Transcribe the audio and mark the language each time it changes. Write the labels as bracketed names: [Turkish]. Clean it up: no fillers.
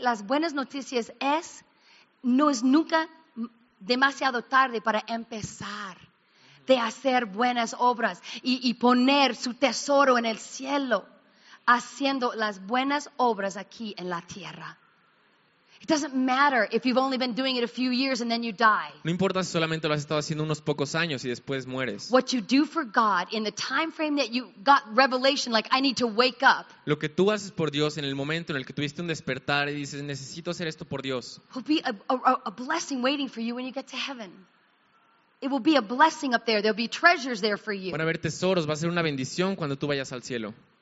[Spanish] Las buenas noticias es, no es nunca demasiado tarde para empezar. De hacer buenas obras y poner su tesoro en el cielo, haciendo las buenas obras aquí en la tierra. [English] It doesn't matter if you've only been doing it a few years and then you die. [Spanish] No importa si solamente lo has estado haciendo unos pocos años y después mueres. [English] What you do for God in the time frame that you got revelation, like I need to wake up. [Spanish] Lo que tú haces por Dios en el momento en el que tuviste un despertar y dices necesito hacer esto por Dios. [English] Will be a blessing waiting for you when you get to heaven. It will be a blessing up there. There'll be treasures there for you. [Spanish] Van a haber tesoros. Va a ser una bendición cuando tú vayas al cielo.